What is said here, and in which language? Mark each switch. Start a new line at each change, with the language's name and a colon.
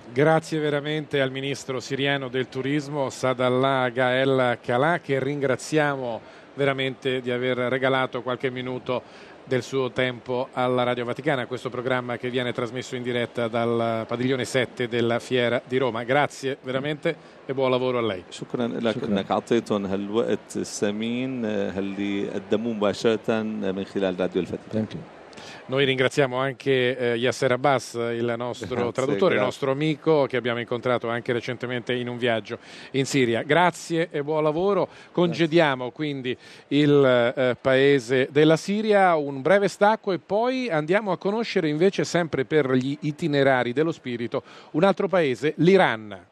Italian: Grazie veramente al ministro siriano del turismo Sadallah Gael Kala che ringraziamo veramente di aver regalato qualche minuto del suo tempo alla Radio Vaticana, a questo programma che viene trasmesso in diretta dal padiglione 7 della Fiera di Roma. Grazie veramente e buon lavoro a lei.
Arabic: شكراً لك انك اعطيتهم هالوقت الثمين اللي قدموه مباشرة من خلال راديو الفاتيكان.
English: Thank you.
Italian: Noi ringraziamo anche Yasser Abbas, il nostro traduttore, il nostro amico che abbiamo incontrato anche recentemente in un viaggio in Siria. Grazie e buon lavoro. Congediamo quindi il paese della Siria, un breve stacco e poi andiamo a conoscere invece sempre per gli itinerari dello spirito un altro paese, l'Iran.